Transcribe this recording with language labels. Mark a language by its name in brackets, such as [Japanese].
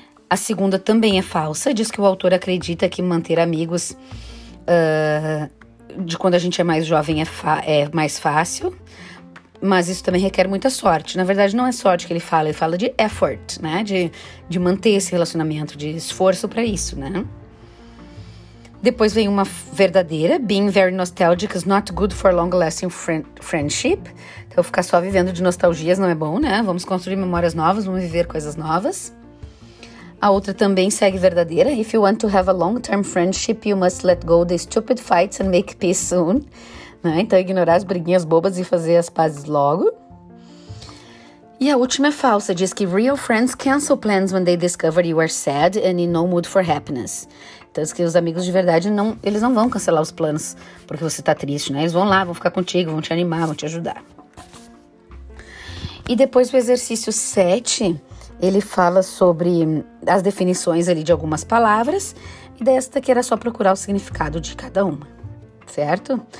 [Portuguese] A segunda também é falsa. Diz que o autor acredita que manter amigos de quando a gente é mais jovem é mais fácil. Mas isso também requer muita sorte. Na verdade, não é sorte que ele fala de effort, né? De manter esse relacionamento, de esforço pra isso, né? Depois vem uma verdadeira. [English] Being very nostalgic is not good for long-lasting friendship. [Portuguese] Então, ficar só vivendo de nostalgias não é bom, né? Vamos construir memórias novas, vamos viver coisas novas. A outra também segue verdadeira. [English] If you want to have a long-term friendship, you must let go the stupid fights and make peace soon. Né? [Portuguese] Então, ignorar as briguinhas bobas e fazer as pazes logo. E a última é falsa. Diz que [English] real friends cancel plans when they discover you are sad and in no mood for happiness. [Portuguese] Então, diz que os amigos de verdade, eles não vão cancelar os planos porque você tá triste, né? Eles vão lá, vão ficar contigo, vão te animar, vão te ajudar. E depois o exercício 7, ele fala sobre as definições ali de algumas palavras. E desta que era só procurar o significado de cada uma. Certo?